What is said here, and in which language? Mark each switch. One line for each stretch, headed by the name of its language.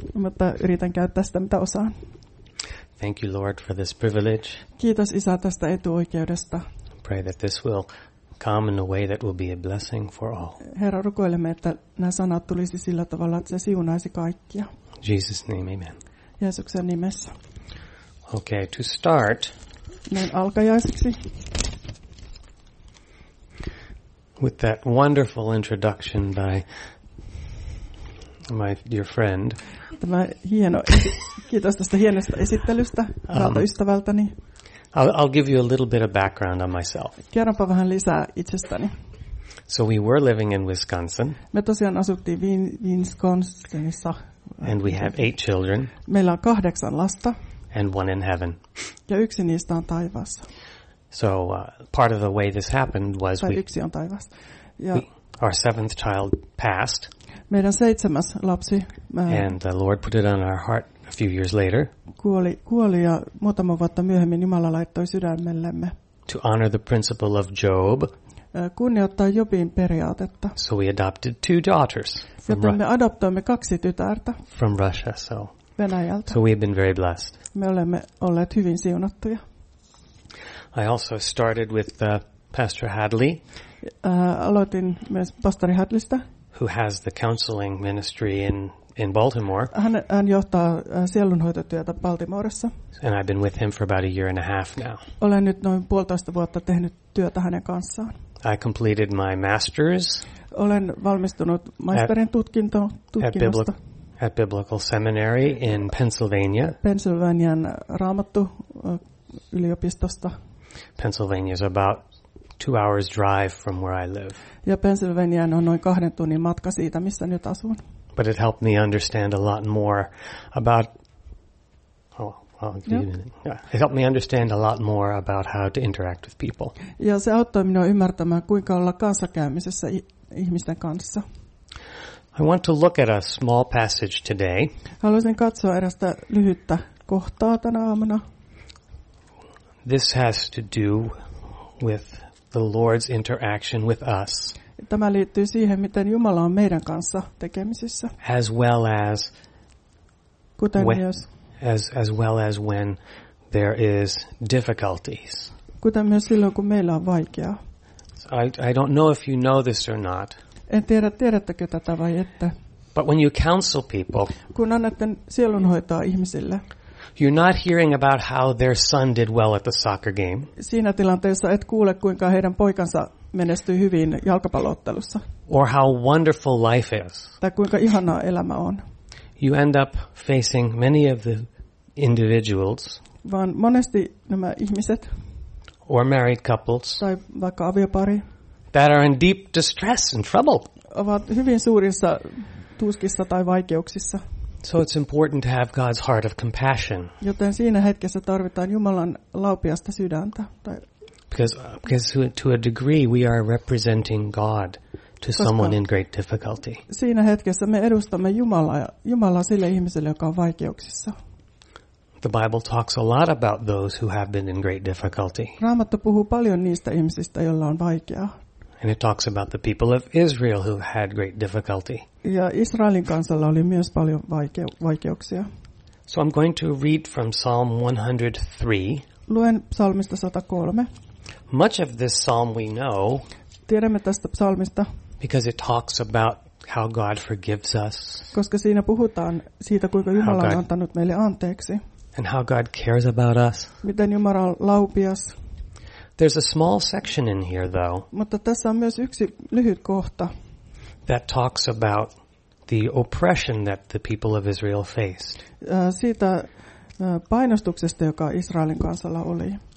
Finnish: Mutta yritän käyttää sitä, mitä osaan.
English: Thank you, Lord, for this privilege.
Finnish: Kiitos Isä tästä etuoikeudesta.
English: Pray that this will come in a way that will be a blessing for all.
Finnish: Herra, rukoilemme, että nämä sanat tulisi sillä tavalla, että se siunaisi kaikkia.
English: Jesus' name, amen.
Finnish: Jeesuksen nimessä.
English: Okay, to start.
Finnish: Näin alkajaisiksi.
English: With that wonderful introduction by my dear friend.
Finnish: Tämä hieno, kiitos tästä hienosta esittelystä, rakkaalta ystävältäni.
English: I'll give you a little bit of background on myself.
Finnish: Kerronpa vähän lisää itsestäni.
English: So we were living in Wisconsin.
Finnish: Me tosiaan asuttiin Wisconsinissa.
English: And we have 8 children.
Finnish: Meillä on 8 lasta.
English: And one in heaven.
Finnish: Ja yksi niistä on taivaassa.
English: So part of the way this happened was
Finnish: yksi on taivaassa.
English: Ja our 7th child passed.
Finnish: Meidän 7. lapsi.
English: And the Lord put it on our heart a few years later.
Finnish: Kuoli ja muutama vuotta myöhemmin Jumala laittoi sydämellemme.
English: To honor the principle of Job.
Finnish: Kunnioittaa Jobin periaatetta.
English: So we adopted 2 daughters.
Finnish: Joten me adoptoimme 2 tytärtä.
English: From Russia, so.
Finnish: Venäjältä.
English: So we've been very blessed.
Finnish: Me olemme olleet hyvin siunattuja.
English: I also started with Pastor Hadley.
Finnish: Aloitin myös Pastori Hadleystä.
English: Who has the counseling ministry in Baltimore?
Finnish: Hän johtaa sielunhoitotyötä Baltimoressa.
English: And I've been with him for about a year and a half now.
Finnish: Olen nyt noin 1.5 vuotta tehnyt työtä hänen kanssaan.
English: I completed my master's.
Finnish: Olen valmistunut maisterin tutkinnosta.
English: At Biblical Seminary in Pennsylvania.
Finnish: Pennsylvanian Raamattu yliopistosta.
English: Pennsylvania is about 2 hours drive from where I live.
Finnish: Ja Pennsylvania on noin 2 tunnin matka siitä, missä nyt asun.
English: But it helped me understand a lot more about. Yeah. It helped me understand a lot more about how to interact with people.
Finnish: Ja se auttoi minua ymmärtämään, kuinka olla kanssakäymisessä ihmisten kanssa.
English: I want to look at a small passage today.
Finnish: Haluaisin katsoa erästä lyhyttä kohtaa tänä aamuna.
English: This has to do with the Lord's interaction with us.
Finnish: Tämä liittyy siihen, miten Jumala on meidän kanssa tekemisissä.
English: As well as
Finnish: kuten myös
English: as well as when there is difficulties.
Finnish: Kuten myös silloin, kun meillä on vaikeaa.
English: I don't know if you know this or not.
Finnish: En tiedä, tiedättekö tätä vai ette.
English: But when you counsel people,
Finnish: kun annatte sielunhoitoa ihmisille,
English: you're not hearing about how their son did well at the soccer game.
Finnish: Siinä tilanteessa et kuule, kuinka heidän poikansa menestyi hyvin jalkapalloottelussa.
English: Or how wonderful life is.
Finnish: Tai kuinka ihanaa elämä on.
English: You end up facing many of the individuals.
Finnish: Vaan monesti nämä ihmiset.
English: Or married couples.
Finnish: Tai vaikka aviopari.
English: That are in deep distress and trouble.
Finnish: Ovat hyvin suurissa tuskissa tai vaikeuksissa.
English: So it's important to have God's heart of compassion.
Finnish: Joten siinä hetkessä tarvitaan Jumalan laupiasta sydäntä.
English: Because to a degree we are representing God to someone in great difficulty.
Finnish: Siinä hetkessä me edustamme Jumalaa sille ihmiselle, joka on vaikeuksissa.
English: The Bible talks a lot about those who have been in great difficulty.
Finnish: Raamattu puhuu paljon niistä ihmisistä, joilla on vaikeaa.
English: And it talks about the people of Israel who had great difficulty.
Finnish: Ja Israelin kansalla oli myös paljon vaikeuksia.
English: So I'm going to read from Psalm 103.
Finnish: Luen psalmista 103.
English: Much of this psalm we know.
Finnish: Tiedämme tästä psalmista.
English: Because it talks about how God forgives us.
Finnish: Koska siinä puhutaan siitä, kuinka Jumala on antanut meille anteeksi.
English: And how God cares about us.
Finnish: Miten Jumala on laupias.
English: There's a small section in here though.
Finnish: Mutta tässä on myös yksi lyhyt kohta.
English: That talks about the oppression that the people of Israel faced.
Finnish: Siitä painostuksesta, joka Israelin kansalla oli.